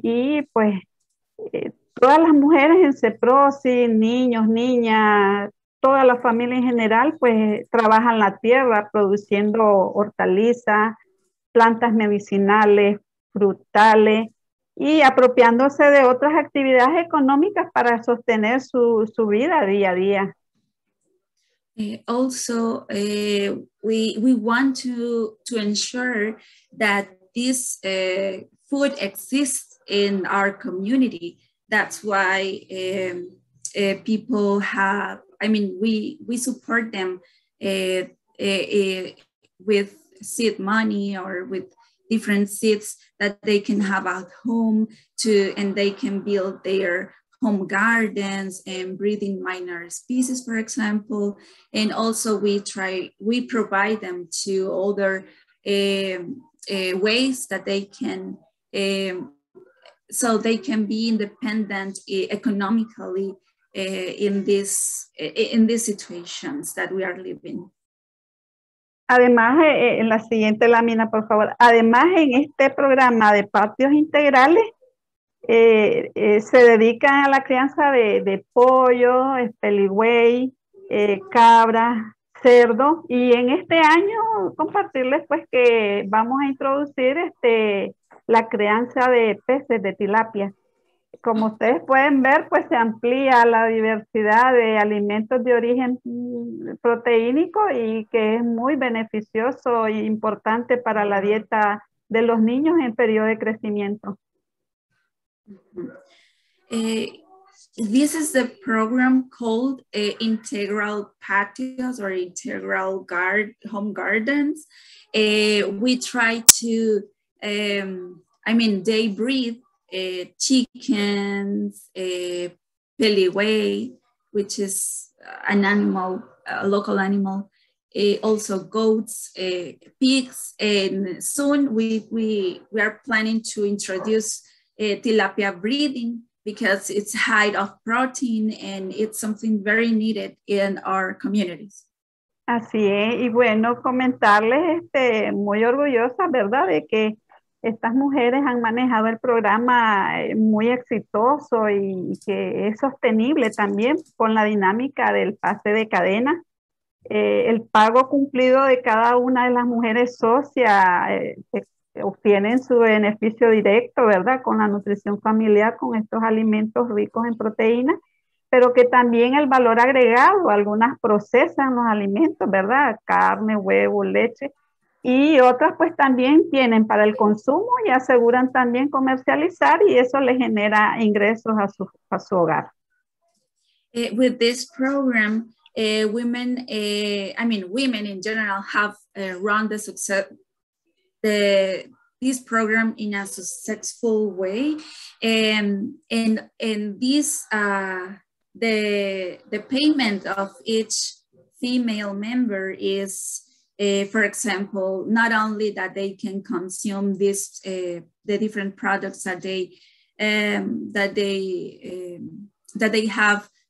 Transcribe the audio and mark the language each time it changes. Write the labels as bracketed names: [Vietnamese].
[Spanish] Y pues todas las mujeres en CEPROSI, niños, niñas, toda la familia en general, pues trabajan la tierra produciendo hortalizas, plantas medicinales, frutales, y apropiándose de otras actividades económicas para sostener su vida día a día. [English] Also, we want to ensure that this food exists in our community. That's why people have, I mean, we support them with seed money or with different seeds that they can have at home and they can build their home gardens and breeding minor species, for example. And also we provide them to other ways that they can, so they can be independent economically in these situations that we are living. [Spanish] Además, en la siguiente lámina, por favor. Además, en este programa de patios integrales, se dedican a la crianza de pollo, espeligüey, cabra, cerdo. Y en este año, compartirles pues que vamos a introducir la crianza de peces de tilapia. Como ustedes pueden ver, pues se amplía la diversidad de alimentos de origen proteínico y que es muy beneficioso e importante para la dieta de los niños en periodo de crecimiento. [English] This is the program called Integral Patios or Integral Home Gardens. We try to, they breathe chickens, peliway, which is an animal, a local animal, also goats, pigs, and soon we are planning to introduce tilapia breeding, because it's high of protein and it's something very needed in our communities. [Spanish] Así es, y bueno, comentarles muy orgullosa, ¿verdad?, de que estas mujeres han manejado el programa muy exitoso y que es sostenible también con la dinámica del pase de cadena. El pago cumplido de cada una de las mujeres socias obtienen su beneficio directo, ¿verdad? Con la nutrición familiar, con estos alimentos ricos en proteínas, pero que también el valor agregado, algunas procesan los alimentos, ¿verdad? Carne, huevo, leche, y otras pues también tienen para el consumo y aseguran también comercializar y eso le genera ingresos a su hogar. [English] With this program, women in general have run the success, this program in a successful way, and this the payment of each female member is, for example, not only that they can consume this the different products that they have.